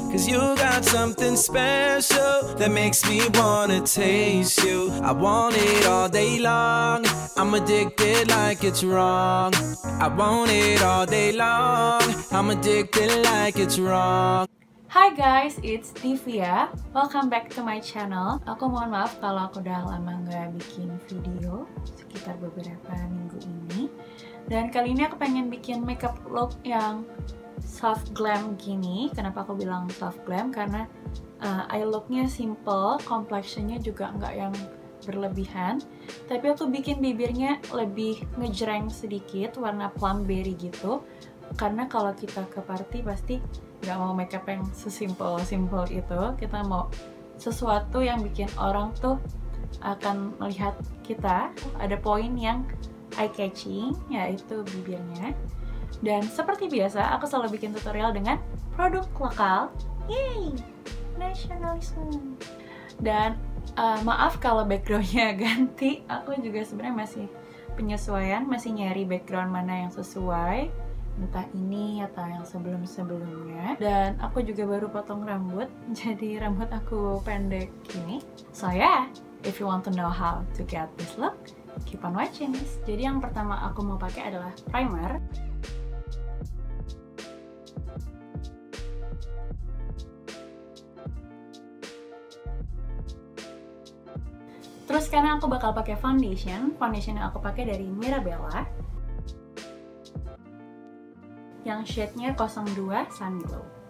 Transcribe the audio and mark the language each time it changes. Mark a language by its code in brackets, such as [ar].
[en] Cause you got something special that makes me wanna taste you. I want it all day long, I'm addicted like it's wrong. I want it all day long, I'm addicted like it's wrong. Hi guys, it's Divya. Welcome back to my channel. [id] Aku mohon maaf kalau aku udah lama gak bikin video sekitar beberapa minggu ini. Dan kali ini aku pengen bikin makeup look yang soft glam gini. Kenapa aku bilang soft glam? Karena eye looknya simple, complexionnya juga gak yang berlebihan. Tapi aku bikin bibirnya lebih ngejreng sedikit, warna plumberry gitu. Karena kalau kita ke party pasti gak mau makeup yang sesimpel-simpel itu. Kita mau sesuatu yang bikin orang tuh akan melihat kita. Ada poin yang eye-catching, yaitu bibirnya. Dan seperti biasa, aku selalu bikin tutorial dengan produk lokal. Yay! Nationalism! Dan maaf kalau backgroundnya ganti. Aku juga sebenarnya masih penyesuaian, masih nyari background mana yang sesuai. Entah ini atau yang sebelum-sebelumnya. Dan aku juga baru potong rambut, jadi rambut aku pendek gini. [en] So yeah, if you want to know how to get this look, keep on watching this. [id] Jadi yang pertama aku mau pakai adalah primer. Terus sekarang aku bakal pakai foundation. Foundation yang aku pakai dari Mirabella, yang shade-nya 02 Sun Glow.